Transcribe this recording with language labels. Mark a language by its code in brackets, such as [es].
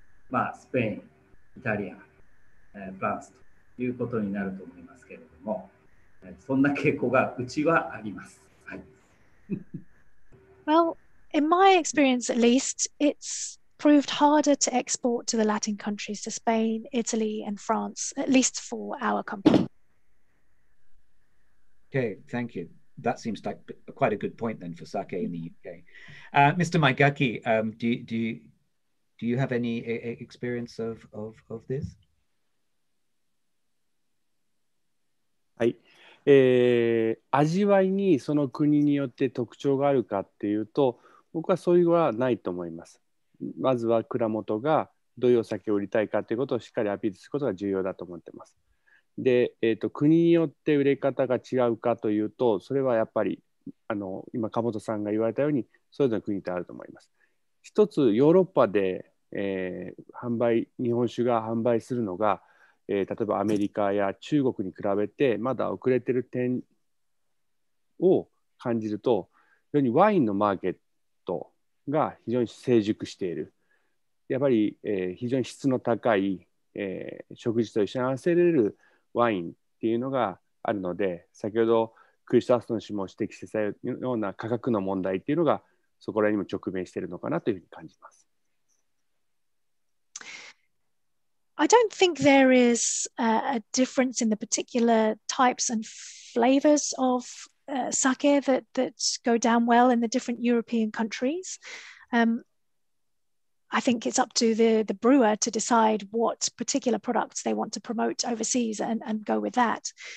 [ja] まあ、スペイン、イタリア、フランスということになると思いますけれども、そんな傾向がうちはあります。はい。 [en] Well, in my experience at least, it's proved harder to export to the Latin countries, to Spain, Italy, and France, at least for our company. Okay, thank you. That seems like quite a good point then for sake in the UK. Mr. Maegaki, do you have any experience of this? [ja] はい。味わいにその国によって特徴があるかっていうと、僕はそういうのはないと思います。まずは蔵元がどういうお酒を売りたいかということをしっかりアピールすることが重要だと思ってます。で、国によって売れ方が違うかというと、それはやっぱり今鴨本さんが言われたようにそれぞれの国であると思います。一つヨーロッパで、販売日本酒が販売するのが、例えばアメリカや中国に比べてまだ遅れてる点を感じると、非常にワインのマーケットが非常に成熟している。やっぱり、非常に質の高い、食事と一緒に合わせれるワインっていうのがあるので、先ほどクリストファーソン氏も指摘したような価格の問題っていうのがそこら辺にも直面しているのかなというふうに感じます。 [en] I don't think there is a difference in the particular types and flavors of sake that go down well in the different European countries. I think it's up to the brewer to decide what particular products they want to promote overseas and go with that.